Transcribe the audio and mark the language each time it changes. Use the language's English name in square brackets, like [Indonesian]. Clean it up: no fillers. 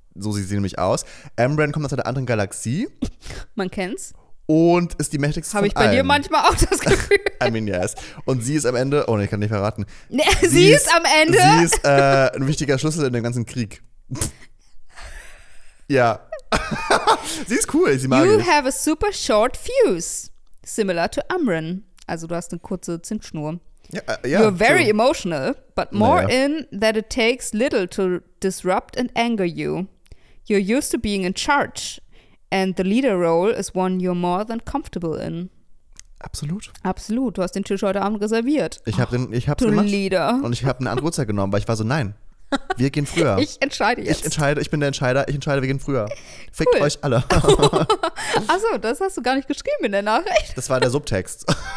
[German] So sieht sie nämlich aus. Amren kommt aus einer anderen Galaxie. Man kennt's. Und ist die mächtigste von allen. Habe ich bei dir manchmal auch das Gefühl. [English] I mean, yes. [German] Und sie ist am Ende... Oh, nee, ich kann nicht verraten. Sie ist am Ende... Sie ist ein wichtiger Schlüssel in dem ganzen Krieg. Ja. Sie ist cool, sie mag [English] es. You have a super short fuse, similar to Amren. [German] Also du hast eine kurze Zündschnur. Ja, [English] you're very emotional, but more in that it takes little to disrupt and anger you. You're used to being in charge. And the leader role is one you're more than comfortable in. [German] Absolut. Absolut. Du hast den Tisch heute Abend reserviert. Ich hab's gemacht. Leader. Und ich habe eine andere Uhrzeit genommen, weil ich war so, nein, wir gehen früher. Ich entscheide jetzt. Ich bin der Entscheider, wir gehen früher. Cool. Fickt euch alle. Achso, das hast du gar nicht geschrieben in der Nachricht. Das war der Subtext.